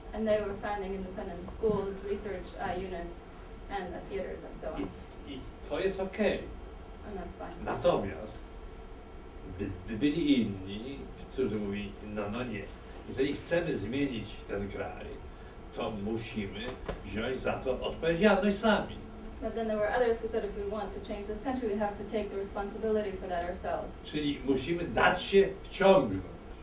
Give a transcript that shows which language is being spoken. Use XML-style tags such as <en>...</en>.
<en>And they were founding independent schools, research units, and the theaters and so on.</en> <pl>I to jest okej.</pl> <en>And that's fine.</en> <pl>Natomiast byli inni, którzy mówili, no nie. Jeżeli chcemy zmienić ten kraj, to musimy wziąć za to odpowiedzialność sami.</pl> <en>But then there were others who said, if we want to change this country, we have to take the responsibility for that ourselves.</en> <pl>Czyli musimy dać się wciągnąć.</pl>